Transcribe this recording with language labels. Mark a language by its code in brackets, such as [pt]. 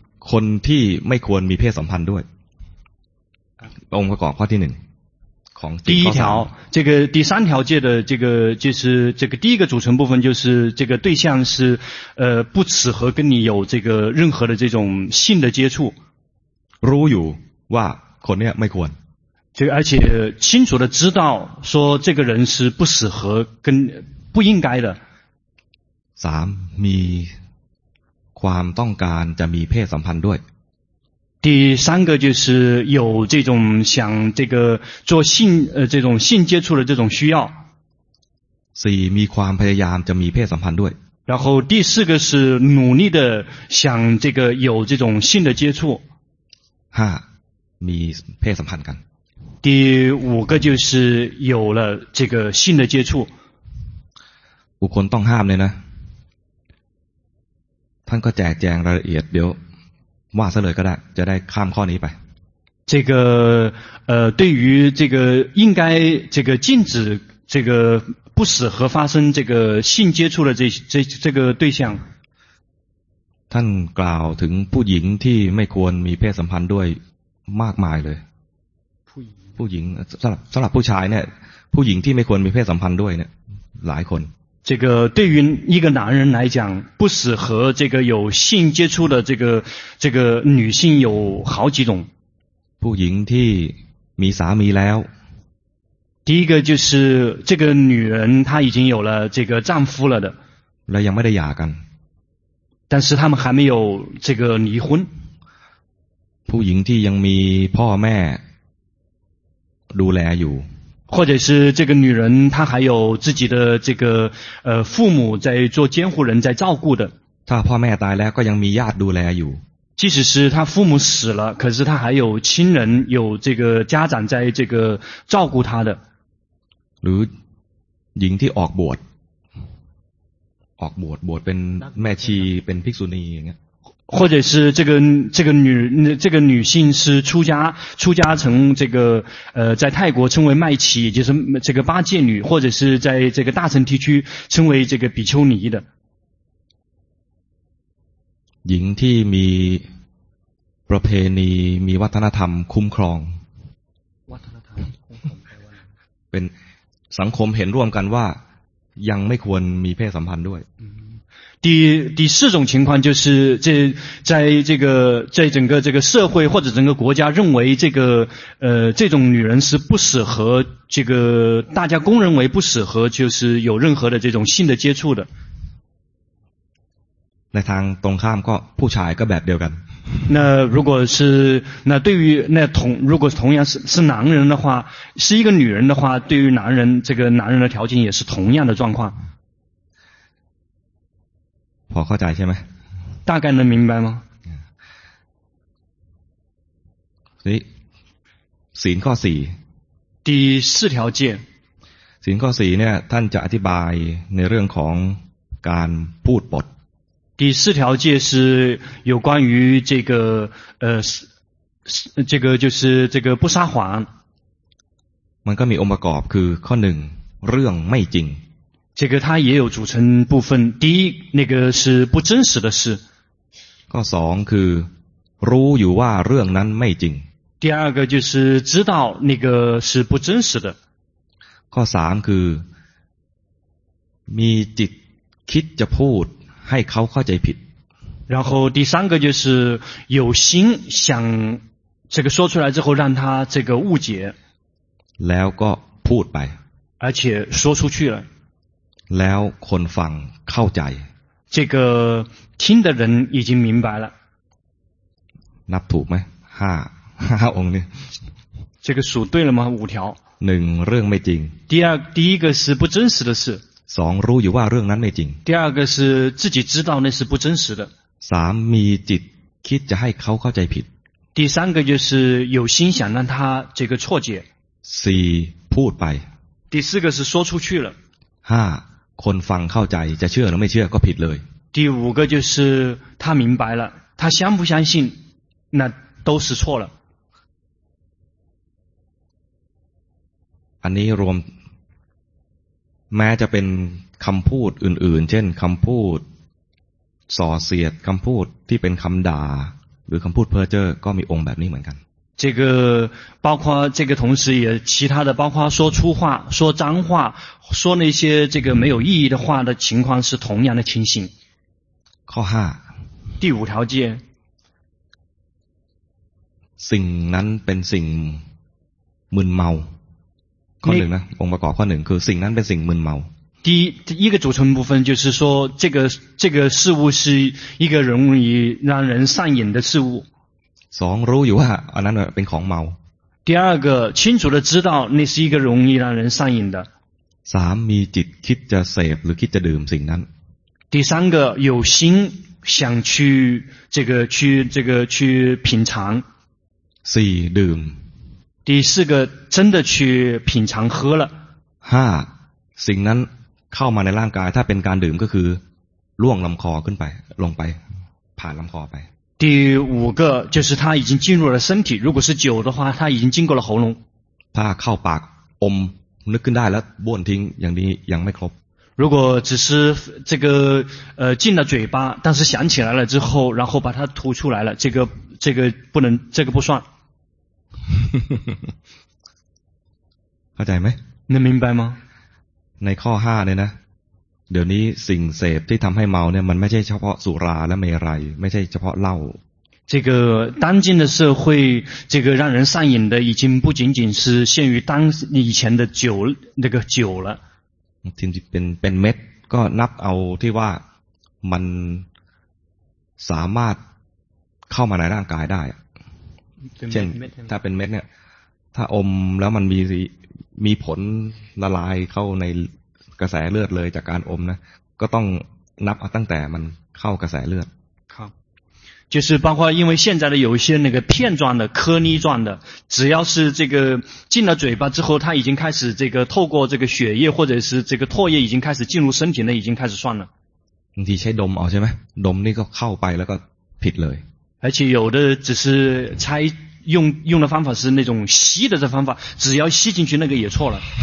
[th] คนที่ไม่ควรมีเพศสัมพันธ์ด้วยองค์ประกอบข้อที่หนึ่งของ ข้อสาม [zh] 第一条这个第三条戒的这个就是这个第一个组成部分就是这个对象是不适合跟你有这个任何的这种性的接触 [th] รู้อยู่ว่าคนนี้ไม่ควร [zh] 这而且清楚的知道说这个人是不适合跟不应该的 [th] สามมีความต้องการจะมีเพศสัมพันธ์ด้วย [zh] 第三个就是有这种想这个做性这种性接触的这种需要 [th] สี่มีความพยายามจะมีเพศสัมพันธ์ด้วย [zh] 然后第四个是努力的想这个有这种性的接触 [th] ห้ามีเพศสัมพันธ์กัน [zh] 第五个就是有了这个性的接触 [th] บุคคลต้องห้ามเลยนะท่านก็แจกแจงรายละเอียดเดี๋ยวว่าซะเลยก็ได้จะได้ข้ามข้อนี้ไป [zh] 这个对于这个应该这个禁止这个不适合发生这个性接触的这个对象 [th] ท่านกล่าวถึงผู้หญิงที่ไม่ควรมีเพศสัมพันธ์ด้วยมากมายเลย ผู้หญิง สำหรับผู้ชายเนี่ยผู้หญิงที่ไม่ควรมีเพศสัมพันธ์ด้วยเนี่ยหลายคน [zh] 这个对于一个男人来讲不适合这个有性接触的这个女性有好几种 [th] ผู้หญิงที่มีสามีแล้ว [zh] 第一个就是这个女人她已经有了这个丈夫了的 [th] และยังไม่ได้หย่ากัน [zh] 但是他们还没有这个离婚 [th] ผู้หญิงที่ยังมีพ่อแม่ดูแลอยู่ [zh] 或者是这个女人她还有自己的这个父母在做监护人在照顾的她 [th] พ่อแม่ตายแล้วก็ยังมีญาติดูแลอยู่ [zh] 即使是她父母死了可是她还有亲人有这个家长在这个照顾她的 [th] หรือหญิงที่ออกบวชบวชเป็นแม่ชีเป็นภิกษุณีอย่างเงี้ย [zh] 或者是这个女性是出家成这个在泰国称为麦乞也就是这个八戒女或者是在这个大乘地区称为这个比丘尼的 [th] หญิงที่มีประเพณีมีวัฒนธรรมคุ้มครอง วัฒนธรรมคุ้มครอง เป็นสังคมเห็นร่วมกันว่ายังไม่ควรมีเพศสัมพันธ์ด้วย [zh] 第四种情况就是这在这个在整个这个社会或者整个国家认为这个这种女人是不适合这个大家公认为不适合就是有任何的这种性的接触的。 [th] ในทางตรงข้ามก็ผู้ชายก็แบบเดียวกัน [zh] 那如果是那对于那同如果同样是男人的话是一个女人的话对于男人这个男人的条件也是同样的状况 [th] พอเข้าใจใช่ไหม [zh] 大概能明白吗 [th] ศีลข้อสี่ [zh] 第四条戒 [th] ศีลข้อสี่เนี่ยท่านจะอธิบายในเรื่องของการพูดบท [zh] 第四条戒是有关于这个这个就是这个不撒谎 [th] มันก็มีองค์ประกอบคือข้อหนึ่งเรื่องไม่จริง [zh] 这个它也有组成部分第一那个是不真实的事 [th] ข้อสองคือรู้อยู่ว่าเรื่องนั้นไม่จริง [zh] 第二个就是知道那个是不真实的 [th] ข้อสามคือมีจิตคิดจะพูดให้เขาเข้าใจผิด [zh] 然后第三个就是有心想这个说出来之后让他这个误解 [th] แล้วก็พูดไป [zh] 而且说出去了 [th] แล้วคนฟังเข้าใจ [zh] 这个听的人已经明白了 [th] นับถูกไหม5องค์นี่ [zh] 这个数对了吗五条 [th] 1เรื่องไม่จริง [zh] 第一个是不真实的事 [th] 2รู้อยู่ว่าเรื่องนั้นไม่จริง [zh] 第二个是自己知道那是不真实的 [th] 3มีจิตคิดจะให้เขาเข้าใจผิด [zh] 第三个就是有心想让他这个错解 [th] 4พูดไป [zh] 第四个是说出去了 [th] 5คนฟังเข้าใจจะเชื่อหรือไม่เชื่อก็ผิดเลย [zh] 第五个就是他明白了他相不相信那都是错了 [th] อันนี้รวมแม้จะเป็นคำพูดอื่นๆเช่นคำพูดส่อเสียดคำพูดที่เป็นคำด่าหรือคำพูดเพ้อเจ้อก็มีองค์แบบนี้เหมือนกัน [zh] 这个包括这个同时也其他的包括说粗话说脏话说那些这个没有意义的话的情况是同样的情形 [th] ข้อ5 [zh] 第五条戒 [th] สิ่งนั้นเป็นสิ่งมึนเมาข้อหนึ่งนะองค์ประกอบข้อหนึ่งคือสิ่งนั้นเป็นสิ่งมึนเมา [zh] 第一个组成部分就是说这个事物是一个容易让人上瘾的事物 [th] สองรู้อยู่ว่าอันนั้นเป็นของเมา [zh] 第二个清楚的知道那是一个容易让人上瘾的 [th] สามมีจิตคิดจะเสพหรือคิดจะดื่มสิ่งนั้น [zh] 第三个有心想去这个去品尝 [th] สี่ดื่ม [zh] 第四个真的去品尝喝了 [th] 5สิ่งนั้นเข้ามาในร่างกายถ้าเป็นการดื่มก็คือล่วงลำคอขึ้นไปลงไปผ่านลำคอไป [zh] 第五个就是它已经进入了身体如果是酒的话它已经经过了喉咙 [th] ถ้าเข้าปากอมนึกขึ้นได้แล้วบ้วนทิ้งอย่างนี้ยังไม่ครบ [zh] 如果只是这个进了嘴巴但是想起来了之后然后把它吐出来了这个不能这个不算 [th] เข้าใจไหม ในมิมไปมั้งในข้อ5เนี่ยนะเดี๋ยวนี้สิ่งเสพที่ทำให้เมาเนี่ยมันไม่ใช่เฉพาะสุราและเมรัยไม่ใช่เฉพาะเหล้า [zh] 这个当今的社会这个让人上瘾的已经不仅仅是限于当以前的酒那个酒了 [th] เป็นเม็ดก็นับเอาที่ว่ามันสามารถเข้ามาในร่างกายได้เช่ นถ้าเป็นเม็ดเนี่ยถ้าอมแล้วมันมีผลละลายเข้าในกระแสเลือดเลยจากการอมนะก็ต้องนับตั้งแต่มันเข้ากระแสเลือด [zh] ครับ就是包括因为现在的有一些那个片状的颗粒状的只要是这个进了嘴巴之后它已经开始这个透过这个血液或者是这个唾液已经开始进入身体了已经开始算了 [th] บางทีใช้ดมเอาใช่ไหมดมนี่ก็เข้าไปแล้วก็ผิดเลย [zh] 而且有的只是拆用的方法是那种吸的这方法只要吸进去那个也错了